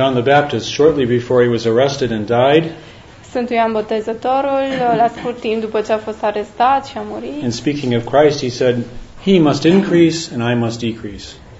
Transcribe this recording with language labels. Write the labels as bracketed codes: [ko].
[en] John the Baptist, shortly before he was arrested and died, [ro] Sfântul Ioan Botezătorul, la scurt timp după ce a fost arestat și a murit. [en] And speaking of Christ, he said, "He must increase and I must decrease."